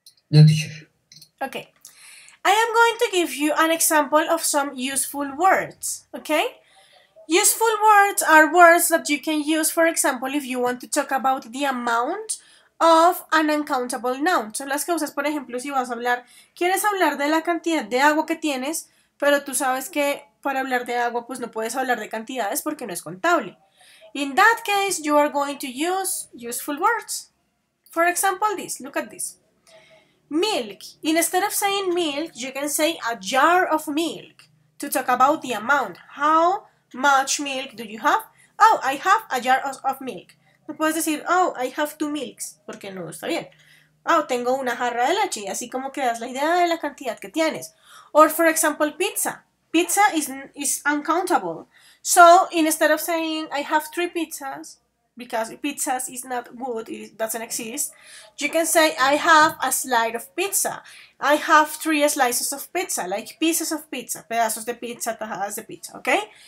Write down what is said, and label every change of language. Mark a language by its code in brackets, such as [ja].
[en] No, teacher. Okay. I am going to give you an example of some useful words, okay? Useful words are words that you can use, for example, if you want to talk about the amount of an uncountable noun. [es] Son las que usas, por ejemplo, si vas a hablar, quieres hablar de la cantidad de agua que tienes, pero tú sabes que para hablar de agua, pues no puedes hablar de cantidades porque no es contable. [en] In that case, you are going to use useful words. For example, this. Look at this. Milk. Instead of saying milk, you can say a jar of milk. to talk about the amount. How much milk do you have? Oh, I have a jar of milk. [es] No puedes decir, [en] oh, I have two milks, [es] porque no está bien. Oh, tengo una jarra de leche, y así como que das la idea de la cantidad que tienes. [en] Or, for example, pizza. Pizza is uncountable. So, instead of saying, I have three pizzas, because pizzas is not good, it doesn't exist, you can say, I have a slice of pizza. I have three slices of pizza, like pieces of pizza, [es] pedazos de pizza, tajadas de pizza, [en] okay?